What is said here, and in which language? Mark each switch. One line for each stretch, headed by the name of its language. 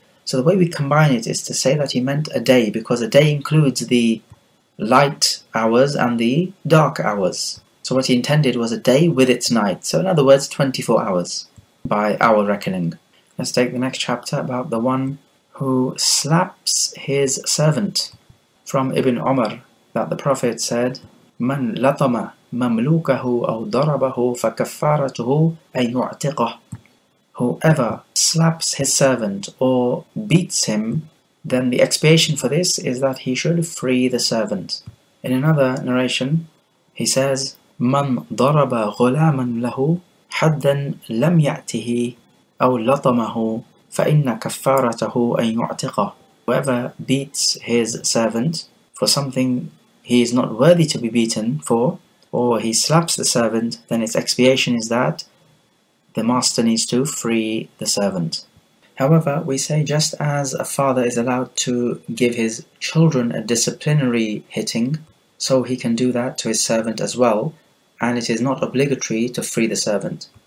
English: So the way we combine it is to say that he meant a day, because a day includes the light hours and the dark hours. So what he intended was a day with its night. So in other words, 24 hours by our reckoning. Let's take the next chapter about the one who slaps his servant. From Ibn Umar, that the Prophet said,
Arabic: من لطم مملوكه أو ضربه فكفارته أن يعتقه.
English: Whoever slaps his servant or beats him, then the expiation for this is that he should free the servant. In another narration, he says,
Arabic: من ضرب غلاما له حدا لم يأته أو لطمه فإن كفارته أن يعتقه.
English: Whoever beats his servant for something he is not worthy to be beaten for, or he slaps the servant, then its expiation is that the master needs to free the servant. However, we say just as a father is allowed to give his children a disciplinary hitting, so he can do that to his servant as well, and it is not obligatory to free the servant.